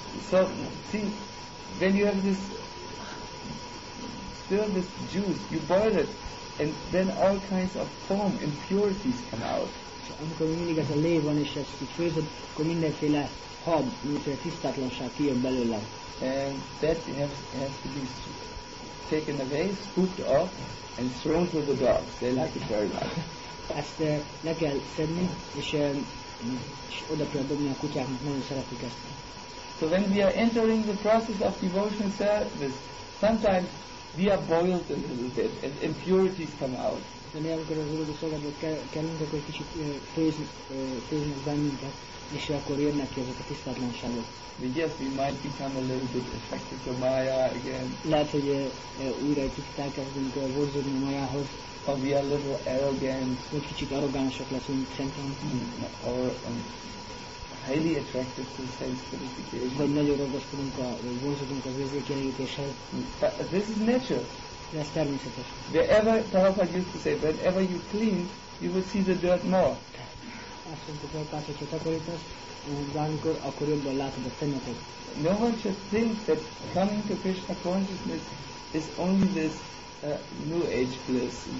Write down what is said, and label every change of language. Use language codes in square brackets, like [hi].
[en] So see, when you have this, still this juice, you boil it, and then all kinds of foam impurities come out. [hu] Amikor mindig ez a lé van és ezt így főzöd, akkor mindenféle hab, mindenféle tisztátlanság kijön belőle. [en] And that has to be taken away, scooped off, and thrown to the dogs. They like it very much. [hu] Ezt le kell szedni, és oda kell dobni a kutyáknak, nagyon szeretik ezt. [en] So when we are entering the process of devotional service, sometimes we are boiled a little bit, and impurities come out. [hu] De mi amikor az odaadó szolgálatba kellünk, akkor egy kicsit főznek bennünket, és akkor jönnek ki ezek a tisztátlanságok. [en] Yes, we might become a little bit affected to Maya again. [hu] Lehet, hogy újra egy kicsit elkezdünk vonzódni a Mayához. [en] Or we are a little arrogant. [hu] Vagy kicsit arrogánsak leszünk szemben. [en] Or highly attracted to sense purification. [hu] Vagy nagyon ragaszkodunk, vonzódunk az érzékenyítéshez. [en] But this is nature. [hu] Yes, természetes. [en] Wherever, Prabhupada used to say, whenever you clean, you will see the dirt more. [hu] Azt mondta Prabhupada, hogyha takarítasz, bármikor, akkor jobban látod a szennyeket. [en] No one should think that coming to Krishna consciousness is only this new age bliss.